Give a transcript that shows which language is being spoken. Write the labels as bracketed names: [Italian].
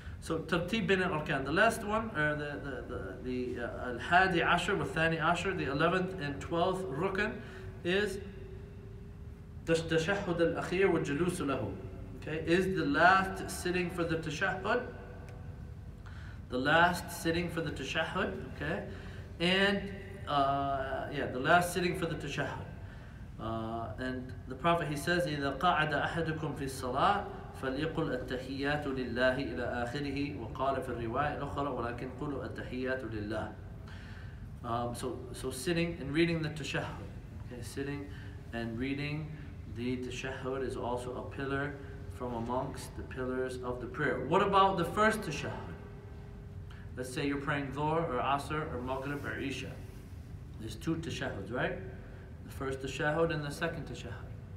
[English] So [Arabic] Tartib bin al-Arkan, [English] the last one, or the [Arabic] Al-Hadi Ashr wa Thani Ashr, [English] the 11th and 12th Rukn, is [Arabic] Tashahud al-Akhir wa Jalusu lahu. [English] Okay, is the last sitting for the Tashahud. The last sitting for the Tashahud, okay? And, the last sitting for the Tashahud. And the Prophet, he says, [Arabic] إِذَا قَعَدَ أَحَدُكُمْ فِي الصَّلَاةِ فَلْيَقُلْ أَتَّحِيَّاتُ لِلَّهِ إِلَىٰ آخِرِهِ وَقَالَ فِي الرِّوَايَةِ الْأُخْرَى وَلَكِنْ قُلُوا أَتَّحِيَّاتُ لِلَّهِ [English] So sitting and reading the Tashahud. Okay, sitting and reading the Tashahud is also a pillar from amongst the pillars of the prayer. What about the first Tashahud? Let's say you're praying Dhuhr or Asr or Maghrib or Isha. There's two Tashahuds, right? The first Tashahud and the second Tashahud.